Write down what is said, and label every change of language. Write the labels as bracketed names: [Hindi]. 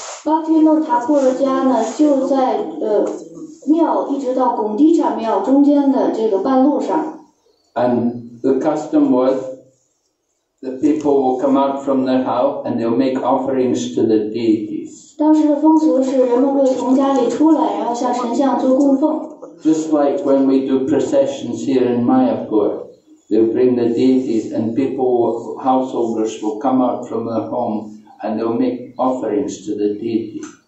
[Chinese] Bhaktivinoda Thakur的家呢，就在庙一直到拱地上庙中间的这个半路上。 [English] And the custom was, the people will come out from their house and they'll make offerings to the deities. [Chinese] 当时的风俗是人们会从家里出来，然后向神像做供奉。 [English] Just like when we do processions here in Mayapur, they bring the deities and people, householders will come out from their home and they'll make offerings to the deity.